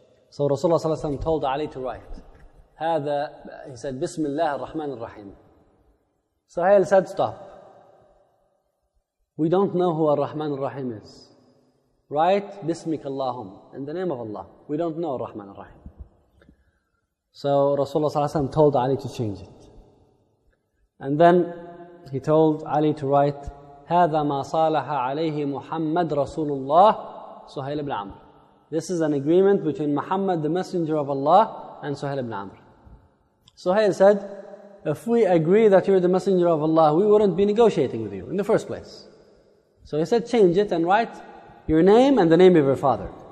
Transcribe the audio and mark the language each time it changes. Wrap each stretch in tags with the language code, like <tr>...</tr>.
<en>So Rasulullah ﷺ told Ali to write. He said, Bismillah ar-Rahman ar-Rahim. Suhail said, stop. We don't know who ar-Rahman ar-Rahim is. Write, Bismik Allahum, in the name of Allah. We don't know ar-Rahman ar-Rahim. So Rasulullah ﷺ told Ali to change it. And then he told Ali to write,</en> <ar>هذا ما صالح عليه محمد رسول الله سهيل بن عمر.</ar> <en>This is an agreement between Muhammad, the Messenger of Allah, and Suhail ibn Amr. Suhail said, if we agree that you're the Messenger of Allah, we wouldn't be negotiating with you in the first place. So he said, change it and write your name and the name of your father.</en>